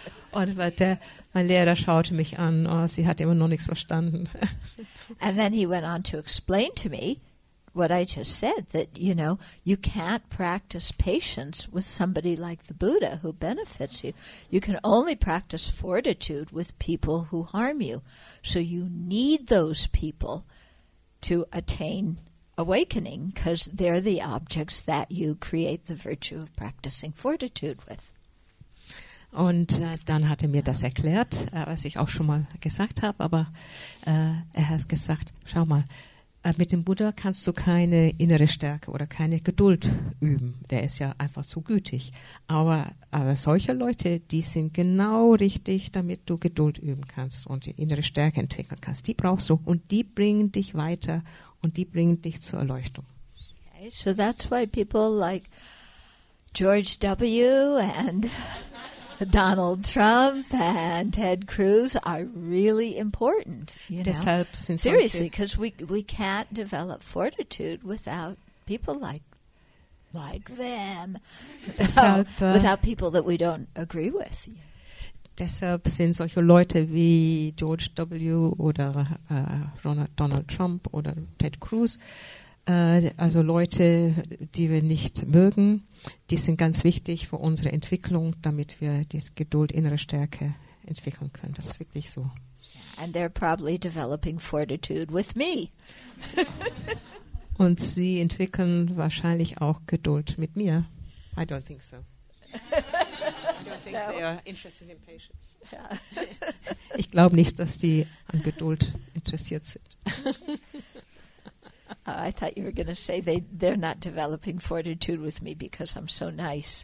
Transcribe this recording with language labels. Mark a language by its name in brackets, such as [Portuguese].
[German] Und mein Lehrer schaute mich an, sie hat immer noch nichts verstanden. [English] And then he went on to explain to me what I just said, that, you can't practice patience with somebody like the Buddha who benefits you. You can only practice fortitude with people who harm you. So you need those people to attain awakening because they're the objects that you create the virtue of practicing fortitude with. [German] Und dann hat er mir das erklärt, was ich auch schon mal gesagt habe, aber er hat gesagt, schau mal, mit dem Buddha kannst du keine innere Stärke oder keine Geduld üben. Der ist ja einfach zu gütig. Aber solche Leute, die sind genau richtig, damit du Geduld üben kannst und die innere Stärke entwickeln kannst. Die brauchst du und die bringen dich weiter und die bringen dich zur Erleuchtung. [English] Okay, so that's why people like George W. and Donald Trump and Ted Cruz are really important. [German] Deshalb sind solche. [English] Seriously, because we can't develop fortitude without people like them. [German] Deshalb, [English] without people that we don't agree with. [German] Deshalb sind solche Leute wie George W. oder Donald Trump oder Ted Cruz, also Leute, die wir nicht mögen, die sind ganz wichtig für unsere Entwicklung, damit wir die Geduld, innere Stärke entwickeln können. Das ist wirklich so. [English] And they're probably developing fortitude with me. [German] Und sie entwickeln wahrscheinlich auch Geduld mit mir. [English] I don't think so. I don't think they are interested in patience. Yeah. [German] Ich glaube nicht, dass die an Geduld interessiert sind. [English] I thought you were going to say they're not developing fortitude with me because I'm so nice.